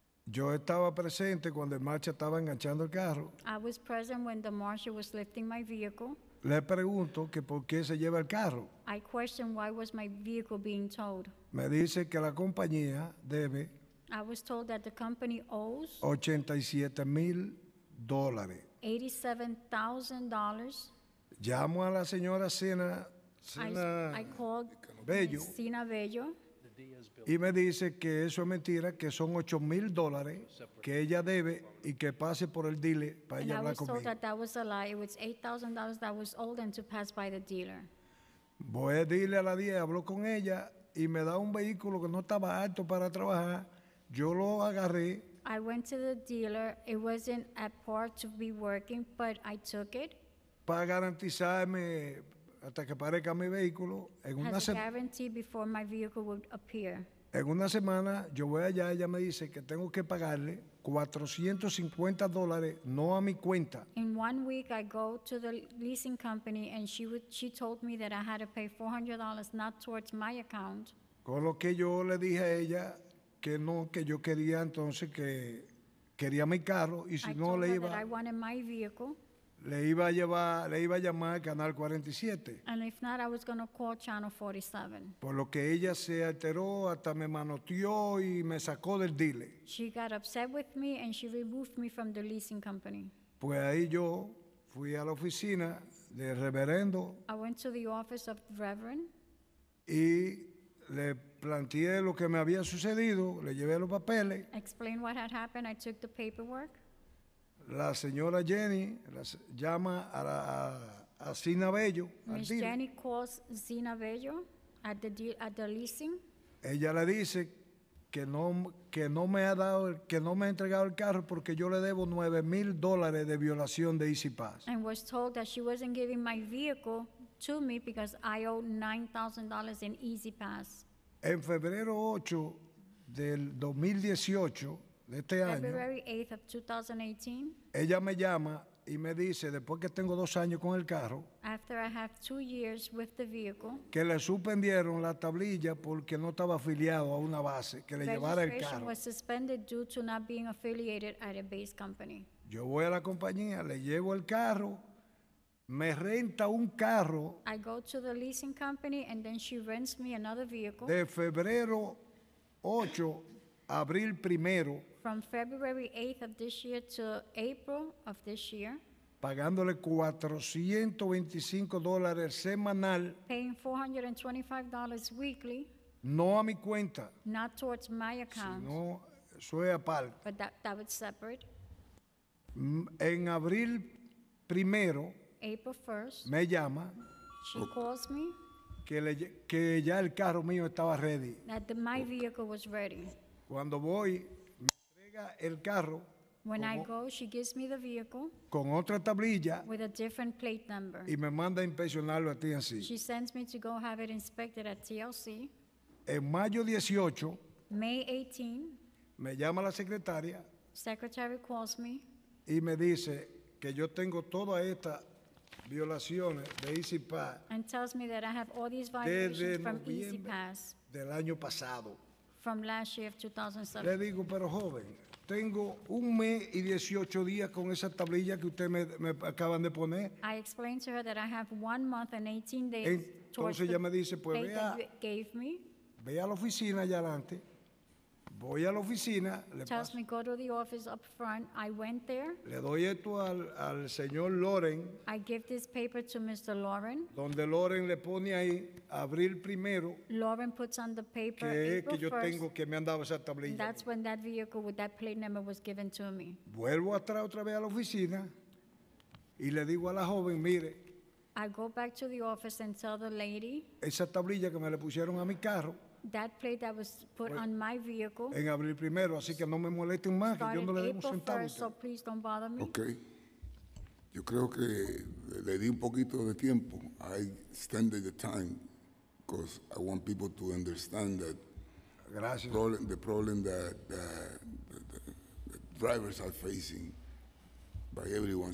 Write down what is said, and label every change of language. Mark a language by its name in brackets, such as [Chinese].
[Spanish] Yo estaba presente cuando el marcha estaba enganchando el carro. [English] I was present when the marshal was lifting my vehicle. [Spanish] Le pregunto que por qué se lleva el carro. [English] I question why was my vehicle being towed. [Spanish] Me dice que la compañía debe. [English] I was told that the company owes. [Spanish] $87,000. [English] $87,000. [Spanish] Llamo a la señora Sina. [English] I called Bello. Sina Bello. [Spanish] Y me dice que eso es mentira, que son $8,000 que ella debe y que pase por el dealer para ella hablar conmigo. [English] And I was told that was a lie. It was $8,000 that was owed and to pass by the dealer. [Spanish] Voy a decirle a la DIA, hablo con ella, y me da un vehículo que no estaba alto para trabajar. Yo lo agarré. [English] I went to the dealer. It wasn't at par to be working, but I took it. [Spanish] Para garantizarme hasta que aparezca mi vehículo. [English] As a guarantee before my vehicle would appear. [Spanish] En una semana, yo voy allá, ella me dice que tengo que pagarle $450, no a mi cuenta. [English] In 1 week, I go to the leasing company, and she told me that I had to pay $400, not towards my account. [Spanish] Con lo que yo le dije a ella, que no, que yo quería entonces, que quería mi carro, y si [English] I [Spanish] no le iba... [English] I wanted my vehicle. [Spanish] Le iba a llamar al canal 47. [English] And if not, I was going to call channel 47. [Spanish] Por lo que ella se alteró, hasta me manoteó y me sacó del dealer. [English] She got upset with me and she removed me from the leasing company. [Spanish] Pues ahí yo fui a la oficina del reverendo. [English] I went to the office of the reverend. [Spanish] Y le planteé lo que me había sucedido, le llevé los papeles. [English] Explained what had happened, I took the paperwork. [Spanish] La señora Jenny llama a Zina Bello. [English] Miss Jenny calls Zina Bello at the leasing. [Spanish] Ella le dice que no me ha entregado el carro porque yo le debo $9,000 de violación de Easy Pass. [English] And was told that she wasn't giving my vehicle to me because I owe $9,000 in Easy Pass. [Spanish] En febrero 8 del 2018, de este año, [English] February 8th of 2018. [Spanish] Ella me llama y me dice, después que tengo 2 años con el carro, [English] after I have 2 years with the vehicle, [Spanish] que le suspendieron la tablilla porque no estaba afiliado a una base, que le llevara el carro. [English] Registration was suspended due to not being affiliated at a base company. [Spanish] Yo voy a la compañía, le llevo el carro, me renta un carro. [English] I go to the leasing company and then she rents me another vehicle. [Spanish] De febrero 8 abril primero. [English] From February 8th of this year to April of this year. [Spanish] Pagándole $425 semanal. [English] Paying $425 weekly. [Spanish] No a mi cuenta. [English] Not towards my account. [Spanish] Sino, eso es aparte. [English] But that was separate. [Spanish] En abril primero. [English] April 1st. [Spanish] Me llama. [English] She calls me. [Spanish] Que ya el carro mío estaba ready. [English] That my vehicle was ready. [Spanish] Cuando voy, me entrega el carro. [English] When I go, she gives me the vehicle. [Spanish] Con otra tablilla. [English] With a different plate number. [Spanish] Y me manda a inspeccionarlo a TLC. [English] She sends me to go have it inspected at TLC. [Spanish] En mayo 18. [English] May 18. [Spanish] Me llama la secretaria. [English] Secretary calls me. [Spanish] Y me dice que yo tengo toda esta violaciones de Easy Pass. [English] And tells me that I have all these violations from Easy Pass. [Spanish] Del año pasado. [English] From last year of 2017. [Spanish] Le digo, pero joven, tengo un mes y 18 días con esa tablilla que usted me acaban de poner. [English] I explained to her that I have 1 month and 18 days. [Spanish] Entonces ella me dice, pues vea, [English] gave me. [Spanish] Ve a la oficina allá adelante. Voy a la oficina. [English] Tells me, go to the office up front. I went there. [Spanish] Le doy esto al señor Loren. [English] I give this paper to Mr. Loren. [Spanish] Donde Loren le pone ahí, abril primero. [English] Loren puts on the paper, [Spanish] que [English] April 1st. [Spanish] Que yo tengo, que me han dado esa tablilla. [English] That's when that vehicle with that plate number was given to me. [Spanish] Vuelvo atrás otra vez a la oficina. Y le digo a la joven, mire. [English] I go back to the office and tell the lady. [Spanish] Esa tablilla que me le pusieron a mi carro. [English] That plate that was put on my vehicle. [Spanish] En abril primero, así que no me molesten más, que yo no le debo centavos. [English] So please don't bother me. Okay. [Spanish] Yo creo que le di un poquito de tiempo. [English] I extended the time because I want people to understand that. [Spanish] Gracias. [English] The problem that the drivers are facing by everyone.